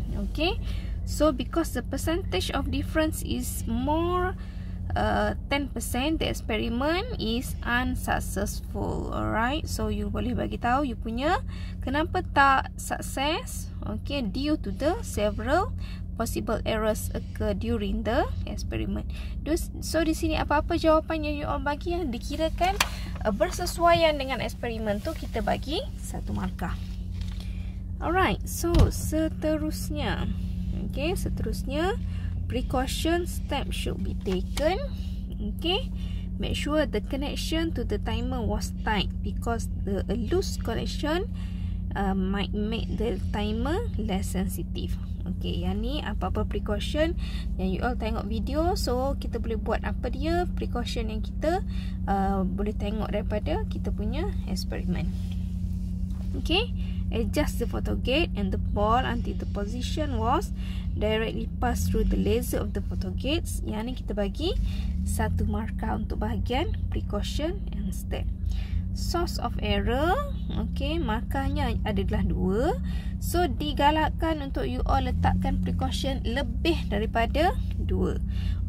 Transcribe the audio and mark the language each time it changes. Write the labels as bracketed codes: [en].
[en] Okay, so because the percentage of difference is more 10%, the experiment is unsuccessful. [ms] Alright, so you boleh bagi tahu you punya kenapa tak sukses. [en] Okay, due to the several possible errors occur during the experiment. [ms] So di sini apa-apa jawapan yang you all bagi yang dikirakan bersesuaian dengan eksperimen tu, kita bagi satu markah. Alright, so seterusnya, okay, seterusnya [en] precaution step should be taken. Okay, make sure the connection to the timer was tight because the loose connection might make the timer less sensitive. [ms] Okay, yang ni apa-apa precaution yang you all tengok video. So kita boleh buat apa dia precaution yang kita boleh tengok daripada kita punya eksperimen. [en] Okay, adjust the photogate and the ball until the position was directly passed through the laser of the photogates. [ms] Yang ni kita bagi satu markah untuk bahagian precaution and step. Source of error, okay, markahnya adalah 2. So digalakkan untuk you all letakkan precaution lebih daripada 2.